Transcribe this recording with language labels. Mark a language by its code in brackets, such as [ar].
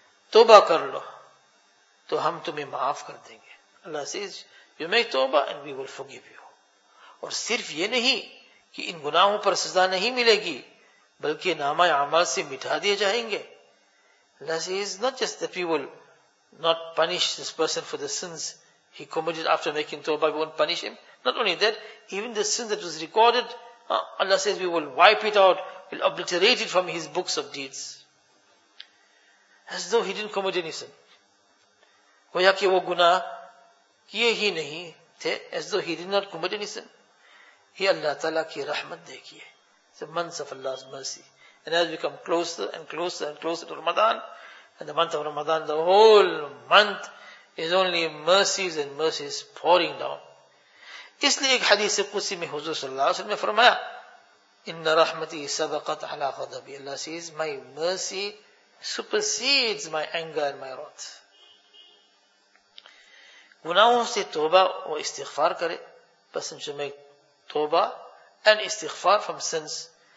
[ur] توبہ کر لو, تو ہم تمہیں معاف کر دیں گے. [en] Allah says, you make tawbah and we will forgive you. [ur] اور صرف یہ نہیں کہ ان گناہوں پر سزا نہیں ملے گی بلکہ نامہ اعمال سے مٹھا دیے جائیں گے. [en] Allah says, not just that we will not punish this person for the sins he committed after making tawbah, we won't punish him. Not only that, even the sin that was recorded, Allah says, we will wipe it out, we'll obliterate it from his books of deeds. As though he didn't commit any sin. [ur] گویا کہ وہ گناہ کیے ہی نہیں تھے, [en] as though he did not commit any sin. He [ur] Allah Ta'ala ki rahmat dekhiye. [en] The months of Allah's mercy. And as we come closer and closer and closer to Ramadan, and the month of Ramadan, the whole month is only mercies and mercies pouring down. [ar] اس لئے ایک حدیث قدسی میں حضور صلی اللہ علیہ وسلم نے فرمایا, اِنَّ رَحْمَتِي سَبَقَتْ عَلَىٰ غَضَبِي. [en] Allah says, my mercy supersedes my anger and my wrath. [ur] گناہوں سے توبہ و استغفار کرے, [en] person should make توبہ and استغفار from sins.